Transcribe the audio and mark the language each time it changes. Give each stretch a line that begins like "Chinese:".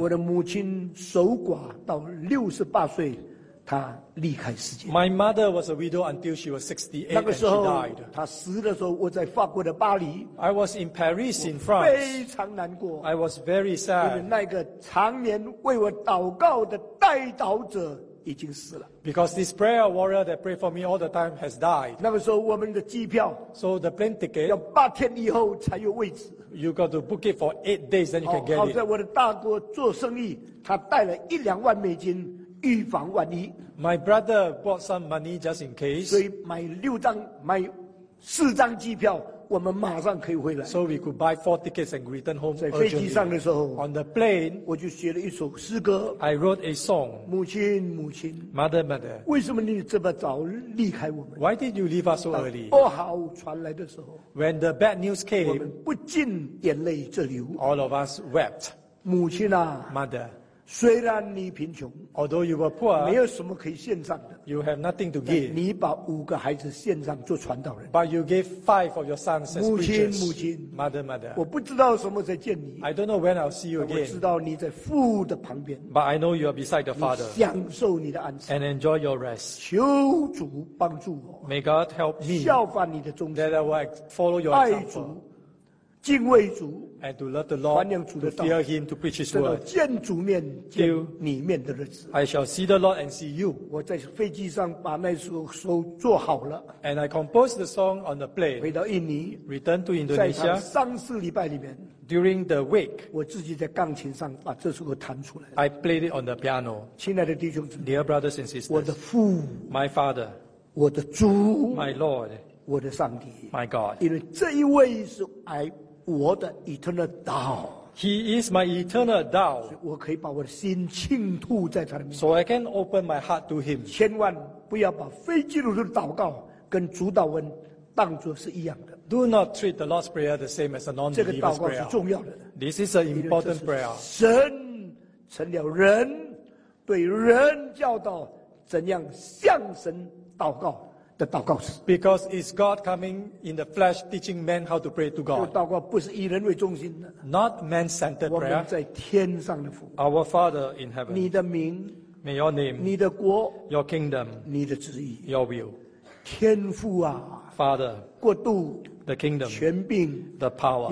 Chinese: 我的母亲守寡到68岁, 她离开世界。
English: My mother was a widow until she was 68 and she died.
Chinese: 她死的时候，我在法国的巴黎。
English: I was in Paris in France.
Chinese: 非常难过。
English: I was very sad.
Chinese: 因为那个常年为我祷告的代祷者已经死了。
English: Because this prayer warrior that prayed for me all the time has died.
Chinese: 那个时候我们的机票。
English: So the plane ticket.
Chinese: 要八天以后才有位置。
English: You got to book it for 8 days then you can get it.
Chinese: 好在我的大哥做生意，他带了1-2万美金。预防万一。
English: My brother bought some money just in case.
Chinese: 所以买六张、买四张机票，我们马上可以回来。
English: So we could buy 4 tickets and return home.
Chinese: 在飞机上的时候
English: ，On the plane，
Chinese: 我就写了一首诗歌。
English: I wrote a song.
Chinese: 母亲，母亲
English: ，Mother, mother，
Chinese: 为什么你这么早离开我们
English: ？Why did you leave us so early？
Chinese: 不好传来的时候
English: ，When the bad news came，
Chinese: 我们不禁眼泪直流。
English: All of us wept.
Chinese: 母亲啊
English: ，Mother。
Chinese: 虽然你贫穷
English: ，although you were poor，
Chinese: 没有什么可以献上的
English: ，you have nothing to give。
Chinese: 你把五个孩子献上做传道人
English: ，but you gave 5 of your sons as preachers。
Chinese: 母亲，母亲
English: ，mother, mother。
Chinese: 我不知道什么时候见你
English: ，I don't know when I'll see you again。
Chinese: 我知道你在父的旁边
English: ，but I know you are beside your father。
Chinese: 享受你的安息
English: ，and enjoy your rest。
Chinese: 求主帮助我
English: ，may God help me。
Chinese: 效法你的忠心
English: ，that I will follow your example。
Chinese: 爱主，敬畏主。
English: And to love the Lord, to fear Him, to preach His word.
Chinese: 见主面，见你面的日子。
English: I shall see the Lord and see you.
Chinese: 我在飞机上把那首做好了。
English: And I composed the song on the plane.
Chinese: 回到印尼
English: ，return to Indonesia.
Chinese: 在上四礼拜里面
English: ，during the week，
Chinese: 我自己在钢琴上把这首歌弹出来。
English: I played it on the piano.
Chinese: 亲爱的弟兄姊妹
English: ，dear brothers and sisters，
Chinese: 我的父
English: ，my father，
Chinese: 我的主
English: ，my Lord，
Chinese: 我的上帝
English: ，my God。
Chinese: 因为这一位是 I。我的
English: eternal Tao. He is my eternal Tao.
Chinese: 我可以把我的心倾吐在他的面前。
English: So I can open my heart to him.
Chinese: 千万不要把非基督徒的祷告跟主祷文当作是一样的。
English: Do not treat the Lord's Prayer the same as a non-believer's prayer.
Chinese: 这个祷告是重要的。
English: This is an important prayer.
Chinese: 神成了人，对人教导怎样向神祷告。的祷告词
English: ，because it's God coming in the flesh teaching men how to pray to God。
Chinese: 祷告不是以人为中心的
English: ，not man-centered prayer。
Chinese: 我们在天上的父
English: ，our Father in heaven。
Chinese: 你的名
English: ，may your name。
Chinese: 你的国
English: ，your kingdom。
Chinese: 你的旨意
English: ，your will。
Chinese: 天父啊
English: ，Father。
Chinese: 国度
English: ，the kingdom。
Chinese: 权柄
English: ，the power。